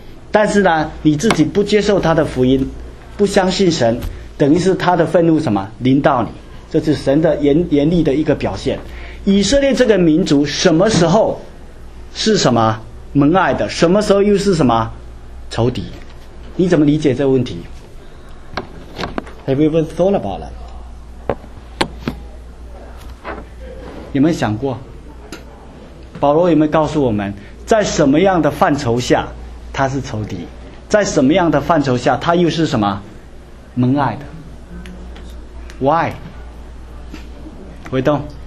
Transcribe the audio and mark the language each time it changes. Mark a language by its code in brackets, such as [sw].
[zh] 但是呢，你自己不接受他的福音，不相信神，等于是他的愤怒什么临到你，这是神的严厉的一个表现。以色列这个民族什么时候是什么蒙爱的，什么时候又是什么仇敌？你怎么理解这个问题？ [en] Have you ever thought about that? [zh] 有没有想过保罗有没有告诉我们在什么样的范畴下他是仇敌，在什么样的范畴下他又是什么蒙爱的？ Why? 回动，